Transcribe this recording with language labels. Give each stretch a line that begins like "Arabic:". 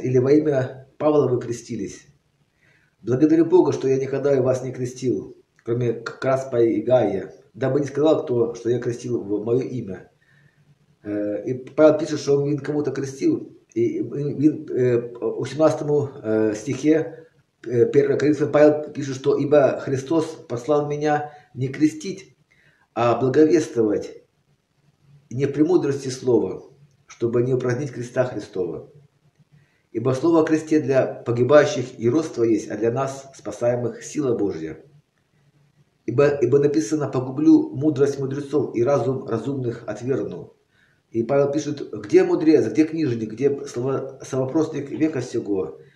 Russian: Или во имя Павла вы крестились? Благодарю Бога, что я никогда вас не крестил, кроме Краспа и Гая, дабы не сказал кто, что я крестил в мое имя.
Ukrainian: І Павел пише, що він кому-то хрестив, і він у 17 стихі 1 Коринфян Павел пише, що «Ібо Христос послав мене не хрестить, а благовествовать не в премудрості слова, щоб не упразднить креста Христова.
Russian: Ибо слово о кресте для погибающих и родства есть, а для нас, спасаемых, сила Божья. Ибо написано, погублю мудрость мудрецов и разум разумных отверну». И Павел пишет, где мудрец, где книжник, где словопросник века сего?